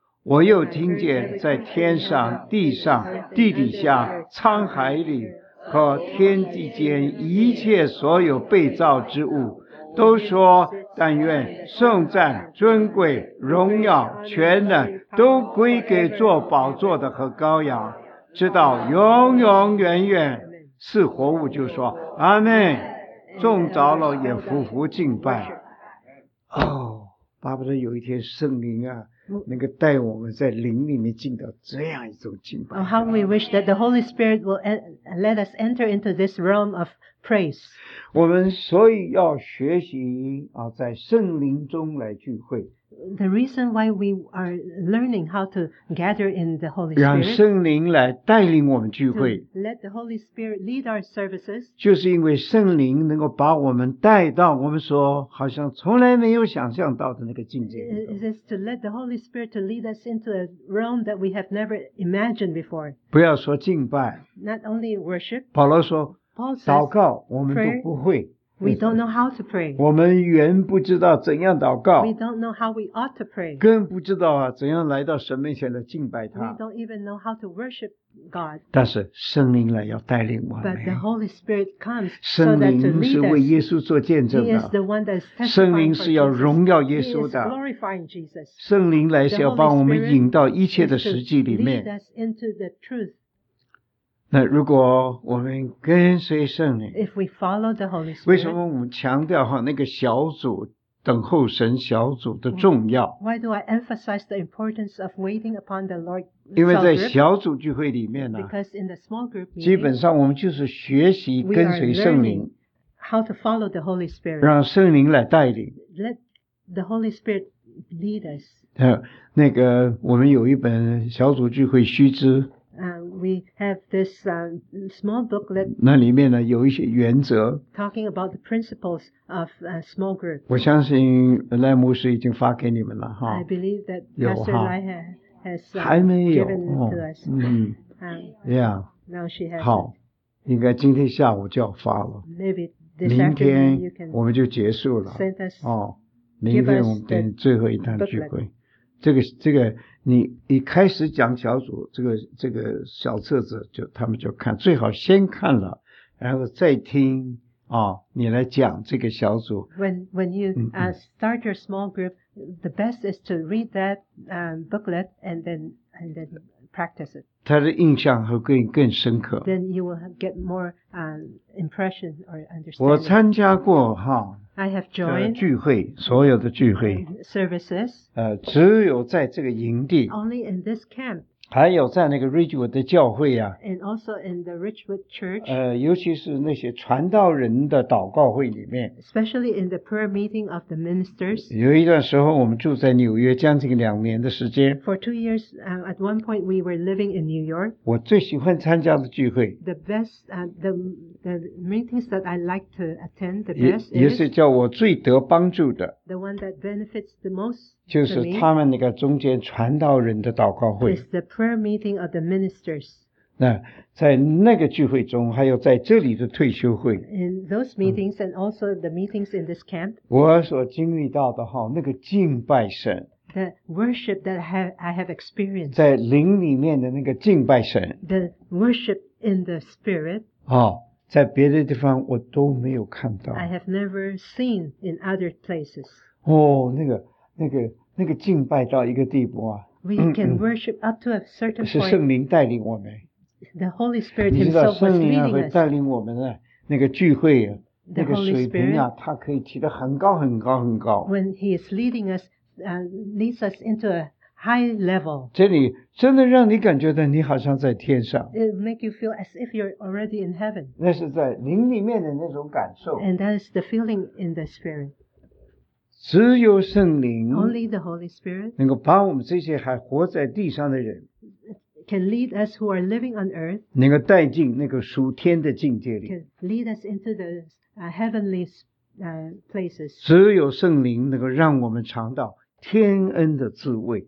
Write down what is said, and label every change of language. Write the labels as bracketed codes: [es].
[zh] 我又听见在天上、地上、地底下、沧海里和天地间一切所有被造之物都说，但愿颂赞、尊贵、荣耀、全能都归给坐宝座的和羔羊，直到永永远远。四活物就说阿们，众长老也俯伏敬拜。哦，巴不得有一天圣灵啊能够带我们在灵里面进到这样一种敬拜。 [en] Oh, how we wish that the Holy Spirit will let us enter into this realm of praise. [zh] 我们所以要学习啊，在圣灵中来聚会。 [en] The reason why we are learning how to gather in the Holy Spirit. [zh] 让圣灵来带领我们聚会。 [en] Let the Holy Spirit lead our services. [zh] 就是因为圣灵能够把我们带到我们说好像从来没有想象到的那个境界。 [en] It is to let the Holy Spirit to lead us into a realm that we have never imagined before. [zh] 不要说敬拜。 [en] Not only worship. [zh] 保罗说 [en] Paul says, [zh] 祷告我们都不会。 [en] We don't know how to pray. [zh] 我们原不知道怎样祷告。 [en] We don't know how we ought to pray. [zh] 更不知道啊，怎样来到神面前来敬拜他。 [en] We don't even know how to worship God. [zh] 但是圣灵来要带领我们。 [en] But the Holy Spirit comes. [zh] 圣灵是为耶稣做见证的。 [en] He is the one that is testifying. [zh] 圣灵是要荣耀耶稣的。 [en] He is glorifying Jesus. [zh] 圣灵来是要把我们引到一切的实际里面。 [en] Lead us into the truth. [zh] 那如果我们跟随圣灵 [en] If we follow the Holy Spirit, [zh] 为什么我们强调哈那个小组等候神小组的重要 [en] Why do I emphasize the importance of waiting upon the Lord? [zh] 因为在小组聚会里面呢 [en] Because in the small group meeting, [zh] 基本上我们就是学习跟随圣灵 [en] We are learning how to follow the Holy Spirit [zh] 让圣灵来带领 [en] Let the Holy Spirit lead us [zh] 那个我们有一本小组聚会须知 [en] We have this small booklet. [zh] 那里面呢有一些原则。 [en] Talking about the principles of a small group. [zh] 我相信赖牧师已经发给你们了哈。 [en] I believe that Pastor Lai has [zh] 还没有 [en] given it to us. 嗯，Now she has. [zh] 好，应该今天下午就要发了。 [en] Maybe this afternoon. [zh] 明天我们就结束了。 [en] Send us. [zh] 哦，明天我们等最后一趟聚会。这个你一开始讲小组这个小册子就他们就看最好先看了然后再听啊、哦、你来讲这个小组 [en] when you start your small group the best is to read that booklet and then practice it [zh] 他的印象会更深刻 [en] then you will get more impression or understanding [zh] 我参加过哈 [en] I have joined [zh] 聚会所有的聚会 [en] services [zh] 只有在这个营地 [en] only in this camp [zh] 还有在那个 Ridgewood 的教会啊 [en] and also in the Ridgewood church [zh] 尤其是那些传道人的祷告会里面 [en] especially in the prayer meeting of the ministers [zh] 有一段时候我们住在纽约将近两年的时间 [en] for 2 years at one point we were living in New York [zh] 我最喜欢参加的聚会 [en] the best the meetings that I like to attend the best is [zh] 也是叫我最得帮助的 [en] the one that benefits the most [zh] 就是他们那个中间传道人的祷告会 [en] is the prayer meeting of the ministers [zh] 那在那个聚会中还有在这里的退休会 [en] in those meetings and also the meetings in this camp [zh] 我所经历到的哈那个敬拜神 [en] The worship that I have experienced [zh] 在灵里面的那个敬拜神 [en] The worship in the spirit [zh] 哦在别的地方我都没有看到。 [en] I have never seen in other places. [zh] 哦，那个敬拜到一个地步啊。 [en] We can worship up to a certain point. [zh] 是圣灵带领我们。 [en] The Holy Spirit Himself was leading us. [zh] 圣灵会带领我们的那个聚会啊，那个水平啊，他可以提得很高很高很高。 [en] When He is leading us, leads us into a high level. [zh] 这里真的让你感觉到你好像在天上。 [en] It make you feel as if you're already in heaven. [zh] 那是在灵里面的那种感受。 [en] And that is the feeling in the spirit. [zh] 只有圣灵 [en] Only the Holy Spirit [zh] 能够帮我们这些还活在地上的人 [en] Can lead us who are living on earth [zh] 能够带进那个属天的境界里 [en] Can lead us into the heavenly places. [zh] 只有圣灵能够让我们尝到天恩的滋味。